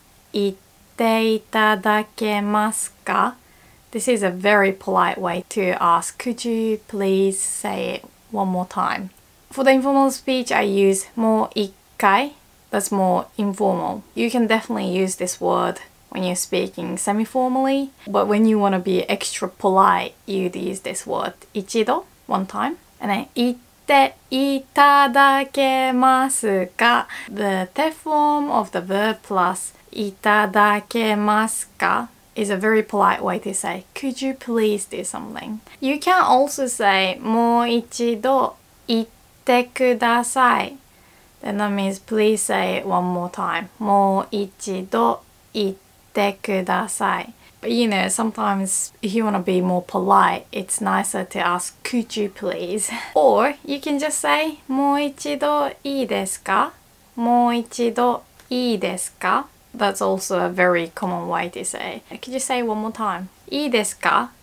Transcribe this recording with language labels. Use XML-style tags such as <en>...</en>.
<ja>もう一度言っていただけますか?</ja> <en>This is a very polite way to ask, could you please say it one more time? For the informal speech, I use もう一回.That's more informal. You can definitely use this word when you're speaking semi-formally. But when you want to be extra polite, you'd use this word 一度, one time. And then</en> <ja>言っていただけますか?</ja> <en>The te form of the verb plus</en> <ja>言っていただけますか?</ja> <en>Is a very polite way to say, could you please do something? You can also say,</en> <ja>もう一度言ってください.</ja> <en>Then that means please say it one more time.</en> <ja>もう一度言ってください。</ja> <en>But you know, sometimes if you want to be more polite, it's nicer to ask, could you please? Or you can just say,</en> <ja>もう一度いいですか? もう一度いいですか?</ja> <en>That's also a very common way to say. Could you say one more time?</en> <ja>いいですか?</ja>